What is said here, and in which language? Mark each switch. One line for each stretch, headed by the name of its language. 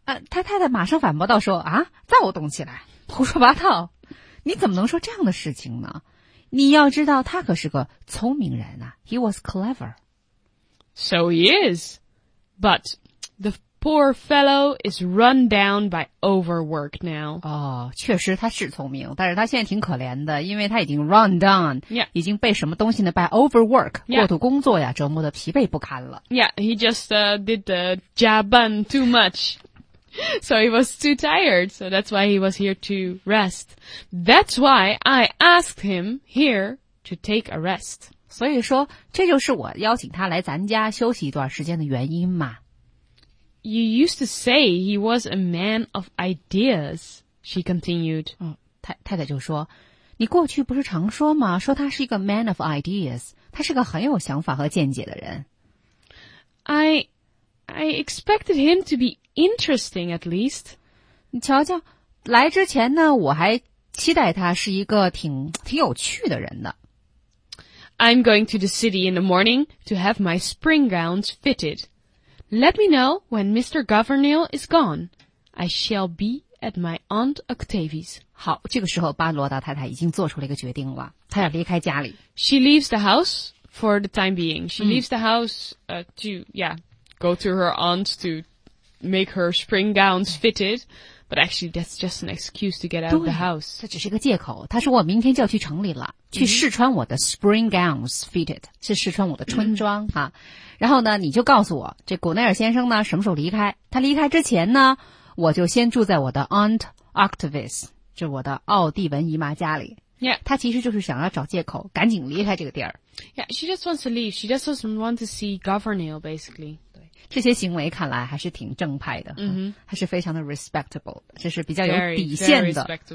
Chinese: 他太太马上反驳道说，啊，躁动起来，胡说八道，你怎么能说这样的事情呢？你要知道他可是个聪明人啊。
English: He was clever. So he is. But the poor fellow is run down by overwork now.
Chinese: 哦，确实他是聪明，但是他现在挺可怜的，因为他已经
English: run down,、 yeah.
Chinese: 已经被什么东西呢
English: by overwork,、
Chinese: yeah. 过度工作呀，折磨得疲惫不堪了。
English: Yeah, he just did the
Chinese: 加班
English: too much. So he was too tired, so that's why he was here to rest. That's why I asked him here to take a rest.
Chinese: 所以说这就是我邀请他来咱家休息一段时间的原因嘛。
English: You used to say he was a man of ideas, she continued.
Chinese: 太太就说，你过去不是常说吗？说他是一个
English: man of ideas，
Chinese: 他是个很有想法和见解的人。
English: I expected him to be interesting at least.
Chinese: 你瞧瞧，来之前呢，我还期待他是一个挺有趣的人的。
English: I'm going to the city in the morning to have my spring gowns fitted. Let me know when Mr. Governor is gone. I shall be at my Aunt Octavie's.
Chinese: 好，这个时候巴罗达太太已经做出了一个决定了，她要离开家里。
English: She leaves the house for the time being. She leaves the house go to her aunt to make her spring gowns fitted. But actually, that's just an excuse to get out of the house.
Chinese: 这只是个借口。她说我明天就要去城里了，去试穿我的
English: spring gowns fitted，
Chinese: 是试穿我的春装啊。然后呢，你就告诉我，这古内尔先生呢什么时候离开？他离开之前呢，我就先住在我的
English: Aunt Octavie's，
Chinese: 就我的奥蒂文姨妈家里。
English: Yeah.
Chinese: 她其实就是想要找借口，赶紧离开这个地儿。
English: Yeah, she just wants to leave. She just doesn't want to see Governor, basically.
Chinese: 对，这些行为看来还是挺正派的，还是非常的 respectable， 这是比较有底线的。